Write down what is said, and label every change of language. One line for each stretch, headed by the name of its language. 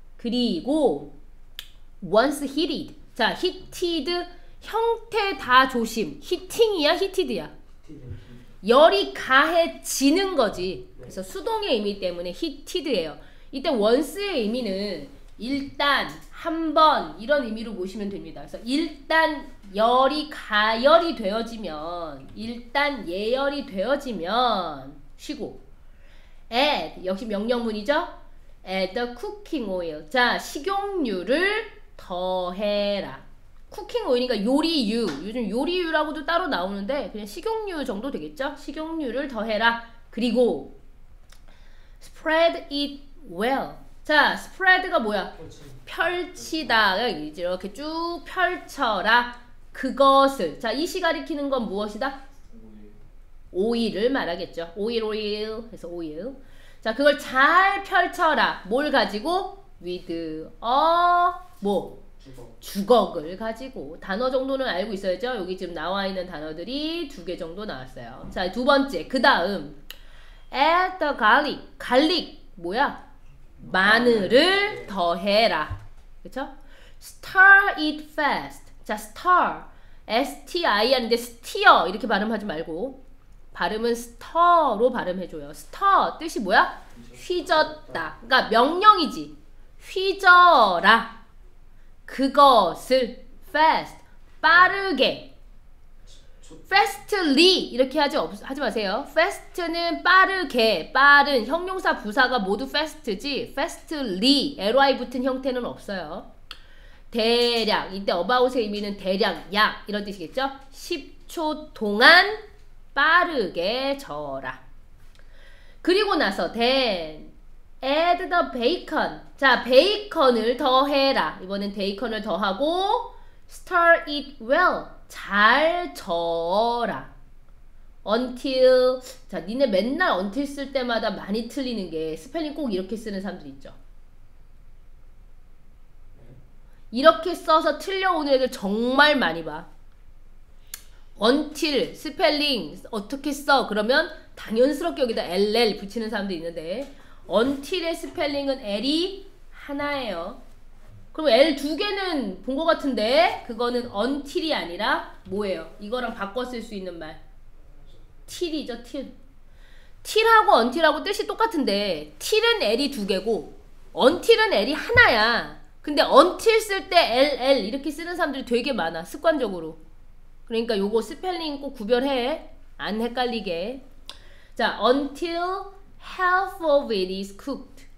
English: 그리고 once heated.
Korean: 자, heated 형태 다 조심. 히팅이야, 히티드야. 열이 가해지는 거지. 그래서 수동의 의미 때문에 히티드예요. 이때 once의 의미는 일단 한번 이런 의미로 보시면 됩니다. 그래서 일단 열이 가열이 되어지면, 일단 예열이 되어지면 쉬고. Add 역시 명령문이죠.
English: Add the cooking oil. 자, 식용유를 더해라.
Korean: Cooking oil이니까 요리유. 요즘 요리유라고도 따로 나오는데 그냥 식용유 정도 되겠죠? 식용유를 더해라.
English: 그리고 spread it well.
Korean: 자, spread가 뭐야? 펼치다. 이렇게 쭉 펼쳐라. 그것을. 자, 이시 가리키는 건 무엇이다? 오일을 말하겠죠. 오일, 오일. 해서 오일. 자, 그걸 잘 펼쳐라. 뭘 가지고? With, 뭐? 주걱을 가지고. 단어 정도는 알고 있어야죠. 여기 지금 나와 있는 단어들이 두개 정도 나왔어요. 자, 두 번째. 그 다음. Add the garlic. 갈릭. 뭐야? 마늘을 더해라. 그쵸? Stir it fast. 자, stir. STIR인데, stir. 이렇게 발음하지 말고. 발음은 stir로 발음해줘요. stir. 뜻이 뭐야? 휘젓다. 그러니까 명령이지. 휘저어라. 그것을. fast. 빠르게. fastly. 이렇게 하지 마세요. fast는 빠르게. 빠른. 형용사, 부사가 모두 fast지.
English: fastly.
Korean: ly 붙은 형태는 없어요. 대략, 이때 about의 의미는 대략, 약, 이런 뜻이겠죠? 10초 동안 빠르게 저어라.
English: 그리고 나서, then, add the bacon.
Korean: 자, 베이컨을 더해라. 이번엔 베이컨을 더하고, stir it well. 잘 저어라. until, 자, 니네 맨날 until 쓸 때마다 많이 틀리는 게, 스펠링 꼭 이렇게 쓰는 사람들 있죠? 이렇게 써서 틀려오는 애들 정말 많이 봐. Until, 스펠링, 어떻게 써? 그러면 당연스럽게 여기다 LL 붙이는 사람도 있는데. Until의 스펠링은 L이 하나예요. 그럼 L 두 개는 본것 같은데? 그거는 Until이 아니라 뭐예요? 이거랑 바꿔 쓸수 있는 말. Till이죠, Till. Till하고 Until하고 뜻이 똑같은데, Till은 L이 두 개고, Until은 L이 하나야. 근데 until 쓸때 ll 이렇게 쓰는 사람들이 되게 많아, 습관적으로. 그러니까 요거 스펠링 꼭 구별해. 안 헷갈리게.
English: 자, until half of it is cooked.